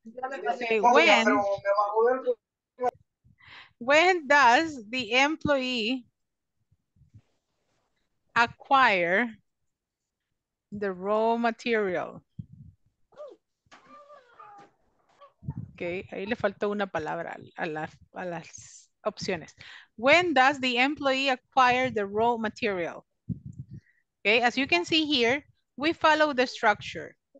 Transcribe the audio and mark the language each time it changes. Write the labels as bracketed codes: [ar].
[en] Okay, when does the employee acquire the raw material? [es] Okay, ahí le faltó una palabra a las opciones. [en] When does the employee acquire the raw material? Okay, as you can see here, we follow the structure.